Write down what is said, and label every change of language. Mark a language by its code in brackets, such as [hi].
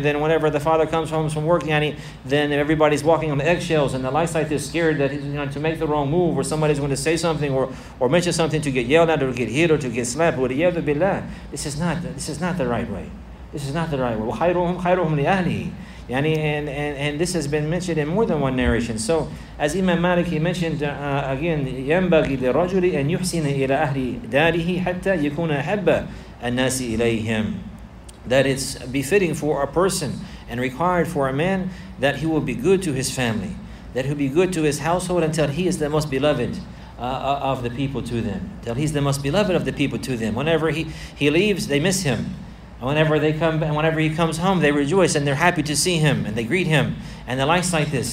[en] And then whenever the father comes home from work, then everybody's walking on the eggshells, and the lights like this, scared that he's going to make the wrong move, or somebody's going to say something or mention something to get yelled at or get hit or to get slapped. With iyadu billah, this is not the right way. This is not the right way. [ar] Khayruhum li ahlihi. [en] And this has been mentioned in more than one narration. So, as Imam Malik, he mentioned again, [ar] يَنْبَغِي لِلرَّجُلِ أَنْ يُحْسِنَ إِلَىٰ أَهْلِ دَارِهِ حَتَّى يَكُونَ أَحَبَّ النَّاسِ إِلَيْهِمْ. [en] That it's befitting for a person and required for a man that he will be good to his family, that he'll be good to his household until he is the most beloved of the people to them. Until he's the most beloved of the people to them. Whenever he leaves, they miss him. Whenever he comes home, they rejoice and they're happy to see him and they greet him and the likes like this.